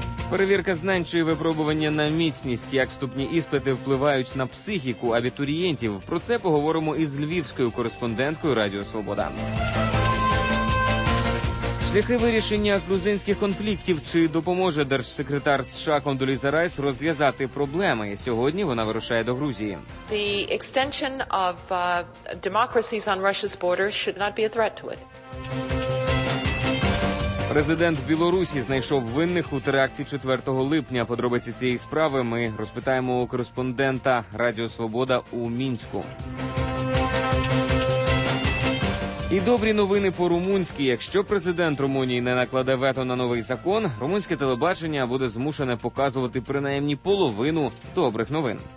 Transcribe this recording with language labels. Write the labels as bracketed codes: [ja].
[uk] Перевірка знань чи випробування на міцність, як вступні іспити впливають на психіку абітурієнтів. Про це поговоримо із львівською кореспонденткою Радіо Свобода. Шляхи вирішення грузинських конфліктів. Чи допоможе держсекретар США Кондоліза Райс розв'язати проблеми? Сьогодні вона вирушає до Грузії. [en] The extension of democracies on Russia's border should not be a threat to it. [uk] Президент Білорусі знайшов винних у теракті 4 липня. Подробиці цієї справи ми розпитаємо у кореспондента Радіо Свобода у Мінську. І добрі новини по-румунськи. Якщо президент Румунії не накладе вето на новий закон, румунське телебачення буде змушене показувати принаймні половину добрих новин.